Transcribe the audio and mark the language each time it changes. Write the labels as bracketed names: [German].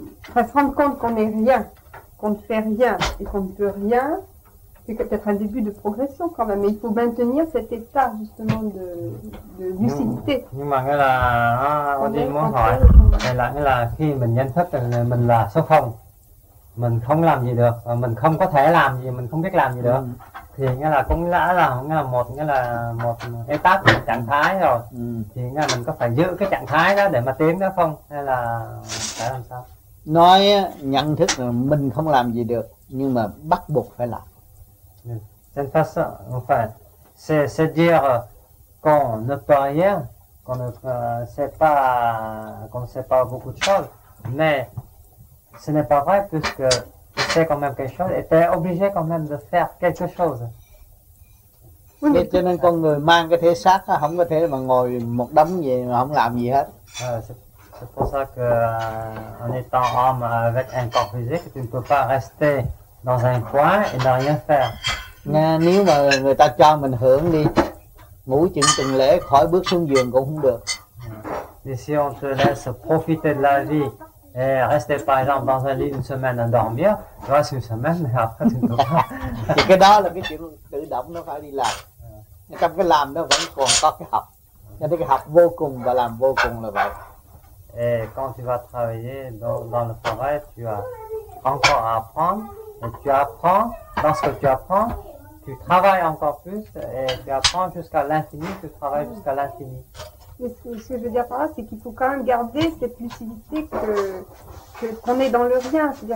[French] Enfin, se rendre compte qu'on n'est rien, qu'on ne fait rien et qu'on ne peut rien, c'est peut-être un début de progression quand même. Mais il faut maintenir cet état justement de lucidité. [Vietnamese] Nhưng mà nghĩa là, [French] on dit [Vietnamese] muốn hỏi, nghĩa là khi mình nhận thức là mình là số không. Mình không làm gì được, mình không có thể làm gì, mình không biết làm gì được. Thì nghĩa là cũng đã là nghĩa là một cái tác trạng thái rồi. Thì nghĩa là mình có phải giữ cái trạng thái đó để mà tiến đó không, hay là phải làm sao? Nói nhận thức là mình không làm gì được, nhưng mà bắt buộc phải làm. [French] C'est pas ça, en fait. C'est dire qu'on ne peut rien, qu'on ne sait pas beaucoup de choses, mais ce n'est pas vrai puisque tu sais quand même quelque chose et tu es obligé quand même de faire quelque chose. [Vietnamese] Cho nên con người mang cái thể xác đó, không có thể mà ngồi một đấm gì mà không làm gì hết. [French] C'est pour ça que en étant homme avec un corps physique, tu ne peux pas rester dans un coin et ne rien faire. [Vietnamese] Nếu mà người ta cho mình hưởng đi, ngủ chừng tuần lễ khỏi bước xuống giường cũng không được. [French] Et si on te laisse profiter de la vie, et rester par exemple dans un lit une semaine à dormir, tu restes une semaine mais après tu ne peux pas. [Vietnamese] Thì cái đó là cái chuyện tự động nó phải đi làm. Trong cái làm nó vẫn còn có cái học. Cho nên cái học vô cùng và làm vô cùng là vậy. [French] Et quand tu vas travailler dans le travail, tu as encore à apprendre. Et tu apprends, lorsque tu apprends, tu travailles encore plus. Et tu apprends jusqu'à l'infini, tu travailles jusqu'à l'infini. Mais ce que je veux dire par là, c'est qu'il faut quand même garder cette lucidité que qu'on est dans le rien.